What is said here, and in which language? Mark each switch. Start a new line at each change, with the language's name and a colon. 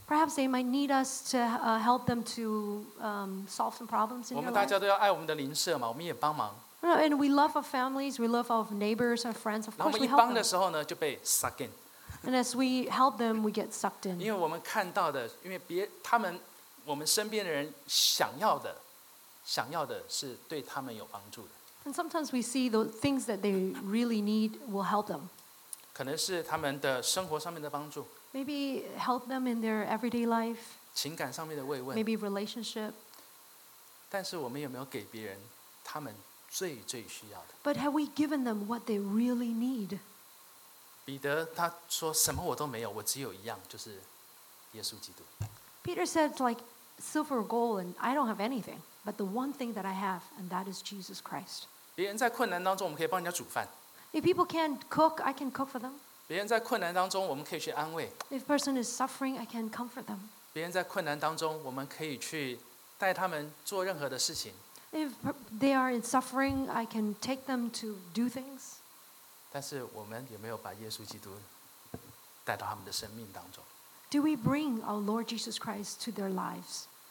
English: Perhaps they might need us to help them to solve some problems in their life.
Chinese: 我们大家都要爱我们的邻舍嘛，我们也帮忙。
English: And we love our families, we love our neighbors, our friends. Of course, we help them.
Chinese: 我们一帮的时候呢，就被
English: suck in. And as we help them, we get sucked in.
Chinese: 因为我们看到的，因为别他们，我们身边的人想要的是对他们有帮助的。
English: And sometimes we see the things that they really need will help them.
Chinese: 可能是他们的生活上面的帮助。
English: Maybe help them in their everyday life.
Chinese: 情感上面的慰问。
English: Maybe relationship.
Chinese: 但是我们有没有给别人他们？最最需要的。
English: But have we given them what they really need?
Chinese: 彼得他说什么我都没有，我只有一样，就是耶稣基督。
English: Peter said like silver or gold, and I don't have anything, but the one thing that I have, and that is Jesus Christ.
Chinese: 别人在困难当中，我们可以帮人家煮饭。
English: If people can't cook, I can cook for them.
Chinese: 别人在困难当中，我们可以去安慰。
English: If person is suffering, I can comfort them.
Chinese: 别人在困难当中，我们可以去带他们做任何的事情。
English: If they are in suffering, I can take them to do things.
Chinese: 但是我们有没有把耶稣基督带到他们的生命当中？
English: Do we bring our Lord Jesus Christ to their lives?